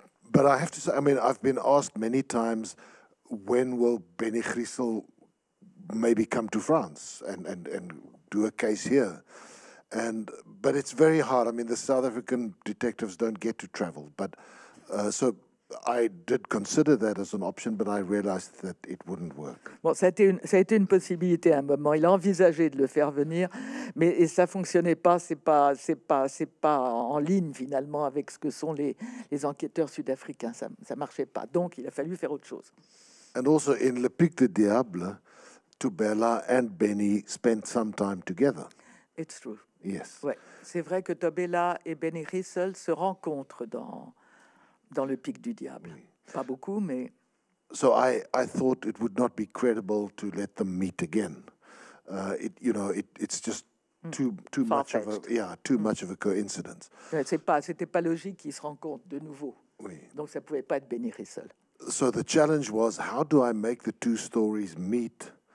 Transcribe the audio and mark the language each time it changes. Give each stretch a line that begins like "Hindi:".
English: But I have to say, I mean, I've been asked many times, when will Benny Rissel maybe come to France and do a case here? And but it's very hard. I mean, the South African detectives don't get to travel. But so I did consider that as an option, but I realized that it wouldn't work.
French: Bon, ça a été une possibilité à un moment. Il a envisagé de le faire venir, mais et ça fonctionnait pas. C'est pas en ligne finalement avec ce que sont les enquêteurs sud-africains. Ça marchait pas. Donc, il a fallu faire autre chose.
English: And also in
French: Le Pic de Diable,
English: Tobella and Benny spent some time together. It's true. Yes.
French: Ouais. C'est vrai que Tobella et Benny Rissel se rencontrent dans Le Pic du Diable. Oui. Pas beaucoup, mais...
English: So I thought it would not be credible to let them meet again. It's just too much of a... Yeah, too much of a coincidence.
French: Ouais, c'était pas logique qu'ils se rencontrent de nouveau. Oui. Donc ça pouvait pas être Benny Rissel.
English: So the challenge was, how do I make the two stories meet?